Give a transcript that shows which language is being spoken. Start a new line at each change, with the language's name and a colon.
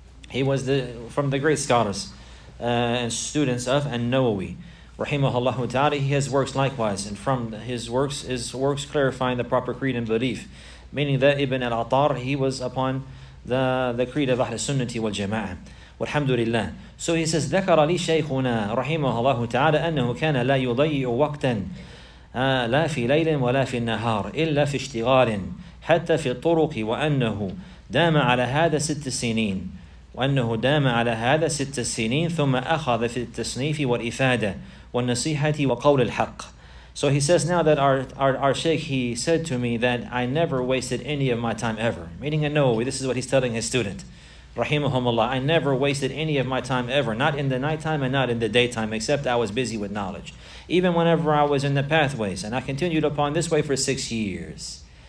English: He was from the great scholars and students of An-Nawawi, rahimahullah ta'ala. He has works likewise, and from his works is works clarifying the proper creed and belief, meaning that Ibn al-Attar, he was upon the creed of Ahl Sunnati wal Jama'ah. Walhamdulillah. So he says,
Arabic: ذكر لي شيخنا رحمه الله تعالى أنه كان لا يضيع وقتا لا في ليل ولا في النهار إلا في اشتغال حتى في الطرق وأنه دام على هذا ست سنين وأنه دام على هذا ست سنين ثم أخذ في التصنيف والإفادة وَالنَّصِيحَةِ وَقَوْلِ الْحَقِّ.
English: So he says now that our sheikh, he said to me that I never wasted any of my time ever. Meaning a Nawawi, this is what he's telling his student. Rahimahumullah, I never wasted any of my time ever, not in the nighttime and not in the daytime, except I was busy with knowledge. Even whenever I was in the pathways, and I continued upon this way for 6 years.